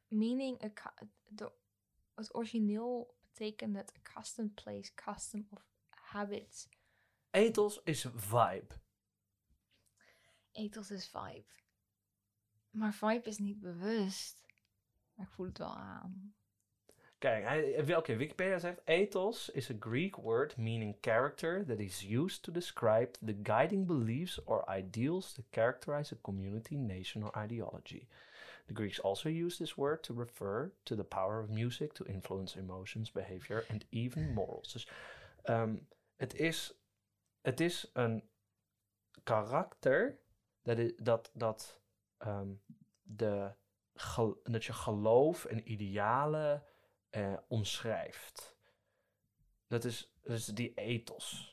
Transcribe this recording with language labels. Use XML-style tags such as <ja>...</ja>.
<nl>Meaning, het origineel betekent het</nl> <en>custom place, custom of habit.</en> <nl>Ethos is vibe. Ethos is vibe. Maar vibe is niet bewust. Maar ik voel het wel aan. Kijk, Wikipedia zegt...</nl> <en>Ethos is a Greek word meaning character that is used to describe the guiding beliefs or ideals that characterize a community, nation or ideology. The Greeks also use this word to refer to the power of music to influence emotions, behavior, and even morals.</en> <nl>Dus het is een karakter dat je geloof en idealen omschrijft. Dat is die ethos.</nl>